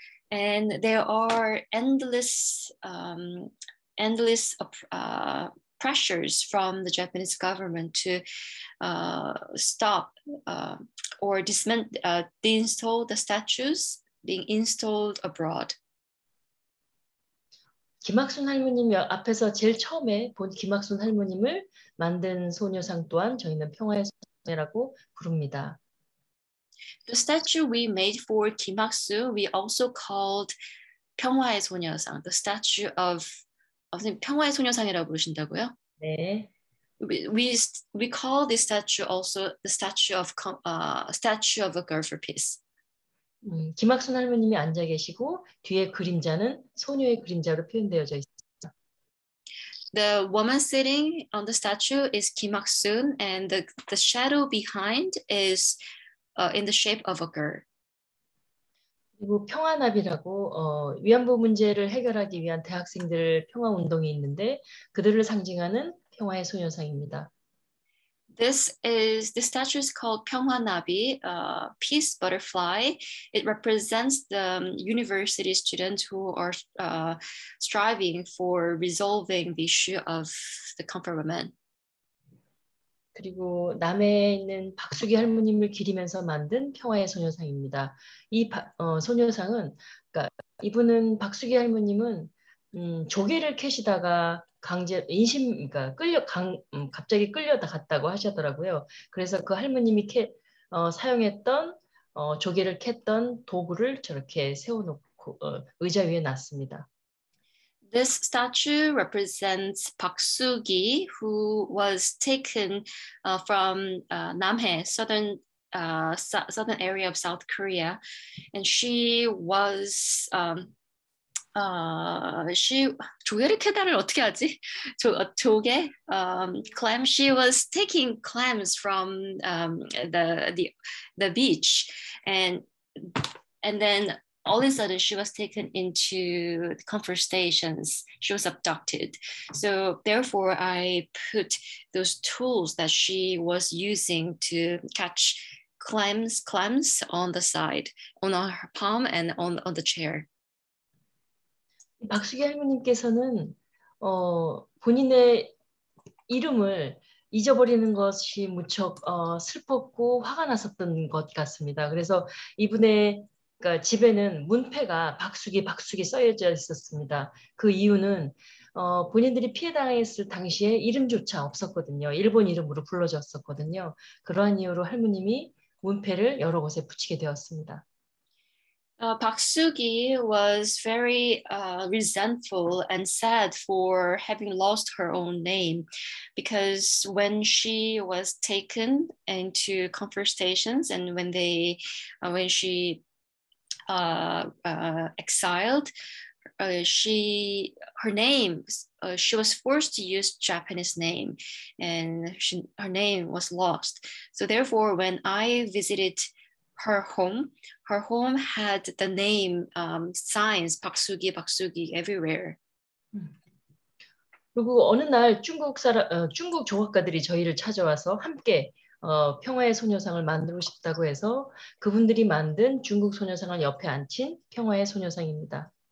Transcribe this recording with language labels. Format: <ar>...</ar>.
<en>And there are endless pressures from the Japanese government to install the statues being installed abroad.</en> <ko>김학순 할머님 앞에서 제일 처음에 본 김학순 할머님을 만든 소녀상 또한 저희는 평화의 소녀상이라고 부릅니다.</ko> <en>The statue we made for 김학수, we also called 평화의 소녀상, the statue of</en> <ko>선생님, 평화의 소녀상이라고 부르신다고요? 네.</ko> <en>We call this statue also the statue of statue of a girl for peace.</en> <ko>김학순 할머님이 앉아 계시고 뒤에 그림자는 소녀의 그림자로 표현되어져 있습니다.</ko> <en>The woman sitting on the statue is Kim Hak-soon and the shadow behind is in the shape of a girl.</en> <ko>그리고 평화나비라고 위안부 문제를 해결하기 위한 대학생들 평화 운동이 있는데 그들을 상징하는 평화의 소녀상입니다.</ko> <en>This statue is called Pyeonghwanabi, Peace Butterfly. It represents the university students who are striving for resolving the issue of the comfort women.</en> <ko>그리고 남해에 있는 박수기 할머님을 기리면서 만든 평화의 소녀상입니다. 이 소녀상은 그러니까 이분은 박수기 할머님은 조개를 캐시다가 강제 인심 그러니까 갑자기 끌려다 갔다고 하셨더라고요. 그래서 그 할머님이 사용했던 조개를 캤던 도구를 저렇게 세워놓고 의자 위에 놨습니다.</ko> <en>This statue represents Park Su-gi, who was taken from Namhae, southern area of South Korea, and she was.</en> <ko>조개를 캐다를 어떻게 하지?</ko> <en>조개? Clam. She was taking clams from the beach, and then all of a sudden she was taken into conversations. She was abducted. So therefore, I put those tools that she was using to catch clams on the side, on her palm and on the chair.</en> <ko>박수기 할머님께서는 본인의 이름을 잊어버리는 것이 무척 슬펐고 화가 났었던 것 같습니다. 그래서 이분의 그러니까 집에는 문패가 박수기 써여져 있었습니다. 그 이유는 본인들이 피해당했을 당시에 이름조차 없었거든요. 일본 이름으로 불러졌었거든요. 그러한 이유로 할머님이 문패를 여러 곳에 붙이게 되었습니다.</ko> <en>Park Su-gi was very resentful and sad for having lost her own name, because when she was taken into conversations and when she was exiled, she was forced to use Japanese name, and her name was lost. So therefore, when I visited her home had the name signs Park Su-gi everywhere.</en> <ko>그리고 어느 날 중국 조각가들이 저희를 찾아와서 함께 평화의 소녀상을 만들고 싶다고 해서 그분들이 만든 중국 소녀상을 옆에 앉힌 평화의 소녀상입니다.</ko>